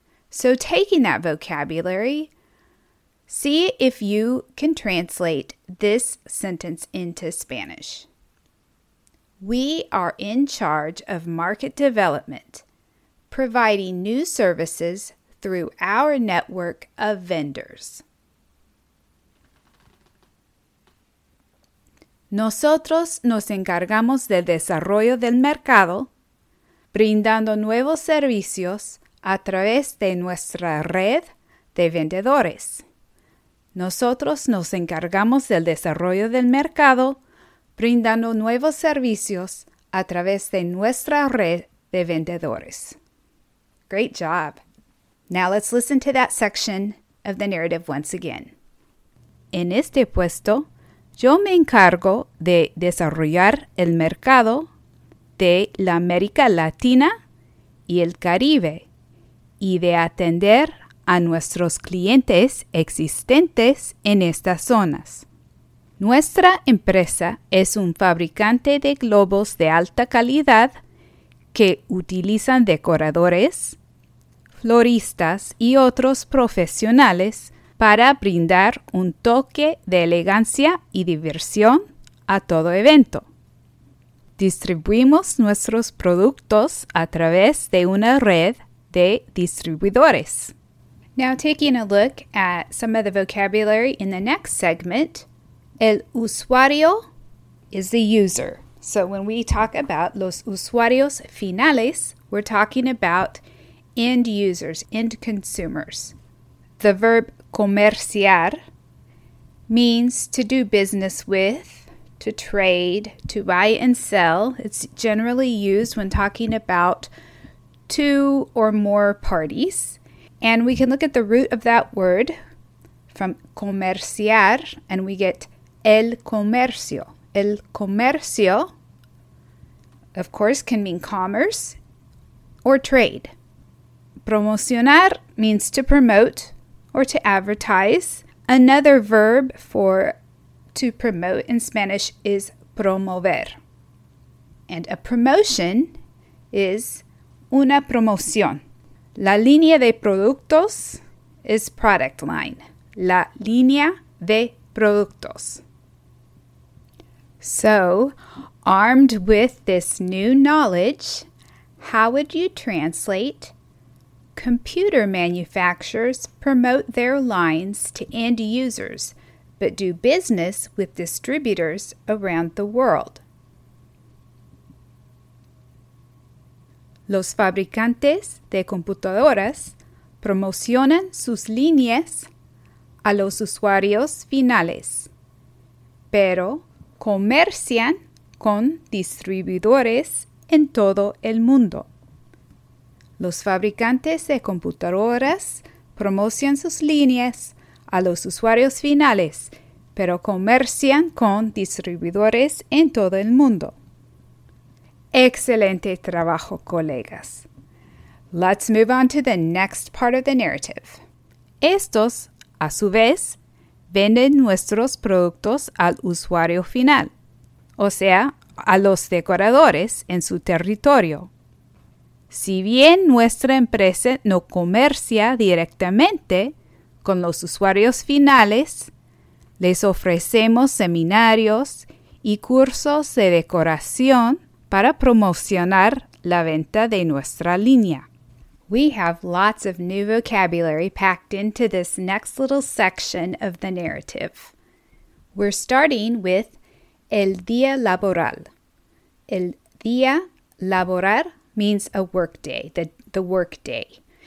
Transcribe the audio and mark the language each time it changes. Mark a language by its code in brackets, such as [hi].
[en] So taking that vocabulary, see if you can translate this sentence into Spanish. We are in charge of market development, providing new services through our network of vendors. [es] Nosotros nos encargamos del desarrollo del mercado, brindando nuevos servicios a través de nuestra red de vendedores. Nosotros nos encargamos del desarrollo del mercado, brindando nuevos servicios a través de nuestra red de vendedores. [en] Great job. Now let's listen to that section of the narrative once again. [es] En este puesto, yo me encargo de desarrollar el mercado de la América Latina y el Caribe y de atender a nuestros clientes existentes en estas zonas. Nuestra empresa es un fabricante de globos de alta calidad que utilizan decoradores, floristas y otros profesionales para brindar un toque de elegancia y diversión a todo evento. Distribuimos nuestros productos a través de una red de distribuidores. [en] Now taking a look at some of the vocabulary in the next segment, el usuario is the user. So when we talk about los usuarios finales, we're talking about end users, end consumers. The verb comerciar means to do business with, to trade, to buy and sell. It's generally used when talking about two or more parties. And we can look at the root of that word from comerciar and we get el comercio. El comercio, of course, can mean commerce or trade. Promocionar means to promote or to advertise. Another verb for to promote in Spanish is promover. And a promotion is una promoción. La línea de productos is product line. [es] La línea de productos. [en] So, armed with this new knowledge, how would you translate computer manufacturers promote their lines to end users, but do business with distributors around the world? [es] Los fabricantes de computadoras promocionan sus líneas a los usuarios finales, pero comercian con distribuidores en todo el mundo. Los fabricantes de computadoras promocionan sus líneas a los usuarios finales, pero comercian con distribuidores en todo el mundo. Excelente trabajo, colegas. [en] Let's move on to the next part of the narrative. [es] Estos, a su vez, venden nuestros productos al usuario final, o sea, a los decoradores en su territorio. Si bien nuestra empresa no comercia directamente con los usuarios finales, les ofrecemos seminarios y cursos de decoración para promocionar la venta de nuestra línea. [en] We have lots of new vocabulary packed into this next little section of the narrative. We're starting with el día laboral. El día laboral means a work day, the work day.